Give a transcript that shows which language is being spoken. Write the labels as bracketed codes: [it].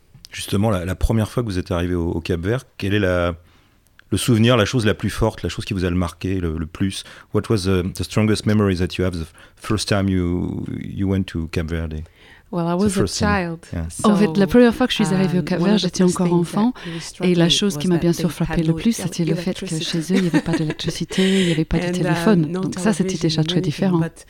[fr] Justement, la première fois que vous êtes arrivé au Cap-Vert, quel est le souvenir, la chose la plus forte, la chose qui vous a le marqué le plus? [en] What was the strongest memory that you have the first time you went to Cap-Verde? Well, I was a child. [fr] En fait, la première fois que je suis arrivée au Cap-Vert, j'étais encore enfant. Et la chose qui m'a bien sûr frappée le plus, c'était le fait que chez eux, il n'y avait pas d'électricité, il n'y avait pas de téléphone. Donc ça, c'était déjà très différent.